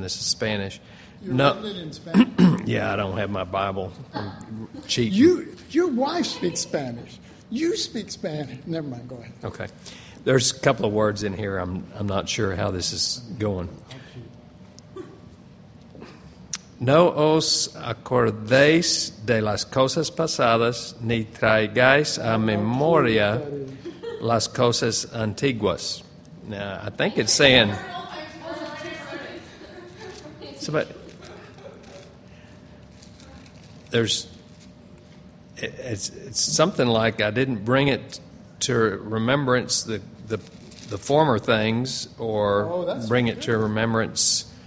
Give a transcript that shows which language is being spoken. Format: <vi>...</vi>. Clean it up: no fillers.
<en>This is Spanish. You're reading it in Spanish. Yeah, I don't have my Bible. I'm cheating. Your wife speaks Spanish. You speak Spanish. Never mind. Go ahead. Okay. There's a couple of words in here. I'm not sure how this is going.</en> <es>No os acordéis de las cosas pasadas, ni traigáis a memoria las cosas antiguas.</es> <en>Now, I think it's saying... Somebody, it's something like I didn't bring it to remembrance the former things, or bring it to remembrance...</en>